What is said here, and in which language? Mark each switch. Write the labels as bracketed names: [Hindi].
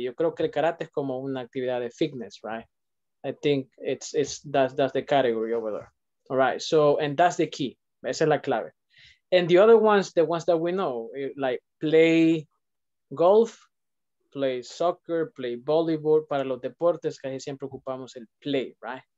[Spanish] Yo creo que el karate es como una actividad de fitness, [English] right? I think it's that's the category over there. All right, so, and that's the key. [Spanish] Esa es la clave. [English] And the ones that we know, like play golf, play soccer, play volleyball. [Spanish] Para los deportes, casi siempre ocupamos el play, [English] right?